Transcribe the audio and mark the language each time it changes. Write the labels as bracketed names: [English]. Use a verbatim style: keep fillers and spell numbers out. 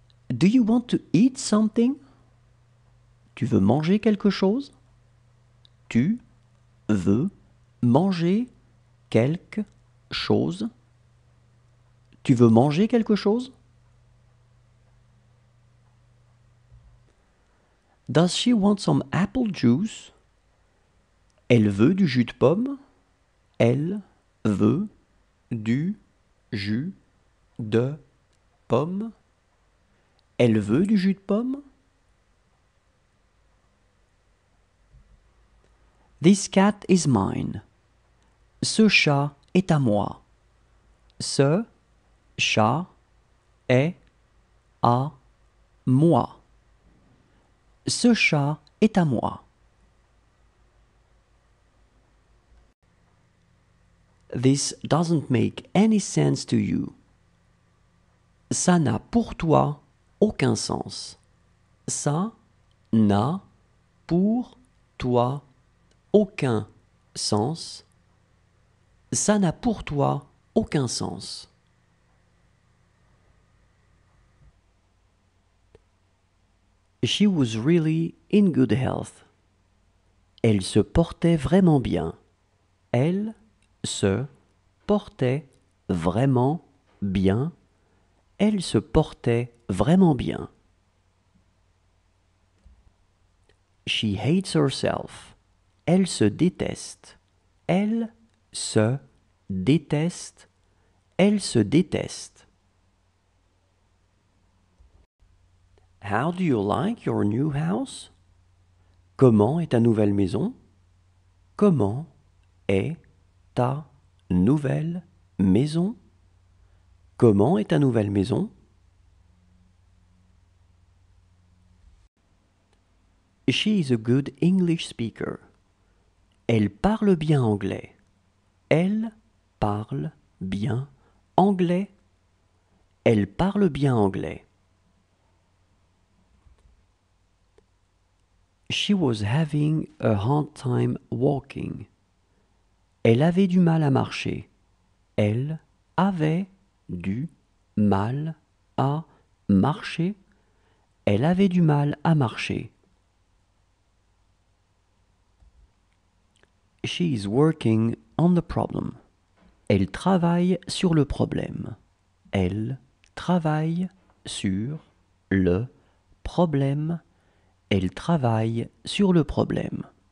[English] Do you want to eat something? [French] Tu veux manger quelque chose? Tu veux manger quelque chose? Tu veux manger quelque chose? [English] Does she want some apple juice? [French] Elle veut du jus de pomme. Elle veut du jus de pomme. Elle veut du jus de pomme. [English] This cat is mine. [French] Ce chat est à moi. Ce chat est à moi. Ce chat est à moi. [English] This doesn't make any sense to you. [French] Ça n'a pour toi aucun sens. Ça n'a pour toi aucun sens. Ça n'a pour toi aucun sens. [English] She was really in good health. [French] Elle se portait vraiment bien. Elle se portait vraiment bien. Elle se portait vraiment bien. [English] She hates herself. [French] Elle se déteste. Elle se déteste. Elle se déteste. [English] How do you like your new house? [French] Comment est ta nouvelle maison? Comment est ta nouvelle maison? Comment est ta nouvelle maison? [English] She is a good English speaker. [French] Elle parle bien anglais. Elle parle bien anglais. Elle parle bien anglais. [English] She was having a hard time walking. [French] Elle avait du mal à marcher. Elle avait du mal à marcher. Elle avait du mal à marcher. [English] She is working on the problem. [French] Elle travaille sur le problème. Elle travaille sur le problème. Elle travaille sur le problème.